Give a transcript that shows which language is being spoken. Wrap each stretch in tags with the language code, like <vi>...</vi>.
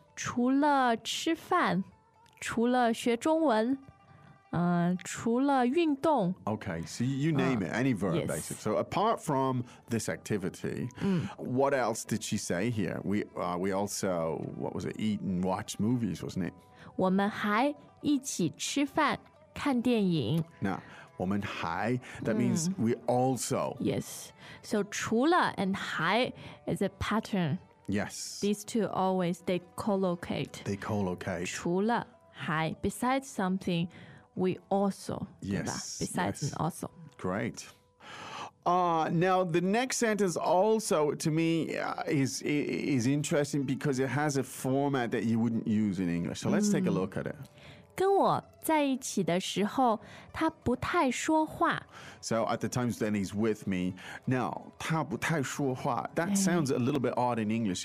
<zh>除了吃饭,除了学中文除了运动</zh> <en>Okay, so you name it, any verb、 yes. basic. So apart from this activity,、 mm. what else did she say here? We also, what was it, eat and watch movies, wasn't it?</en> <zh>我们还一起吃饭看电影</zh> <en>Now,</en> <zh>我们还</zh> <en>that、mm. means we also Yes, so 除了 and 还 is a pattern Yes These two always, they collocate They collocate</en> <zh>除了还</zh> <en>besides something,We also, yes, besides yes. also. Great. Now, the next sentence also, to me, is interesting because it has a format that you wouldn't use in English. So let's take a look at it.</en> <zh>跟我在一起的时候,他不太说话。</zh> <en>So at the times that he's with me, now,</en> <zh>他不太说话,</zh> <en>that sounds a little bit odd in English.</en>